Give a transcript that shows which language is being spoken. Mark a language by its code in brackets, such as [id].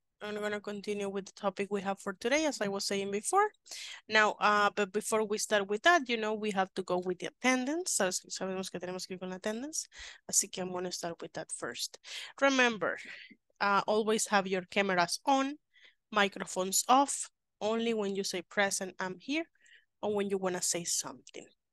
[en] I'm going to continue with the topic we have for today, as I was saying before. Now, but before we start with that, you know, we have to go with the attendance. [es] Sabemos que tenemos que ir con la attendance. Así que [en] I'm going to start with that first. Remember, always have your cameras on, microphones off, only when you say present, I'm here, or when you want to say something.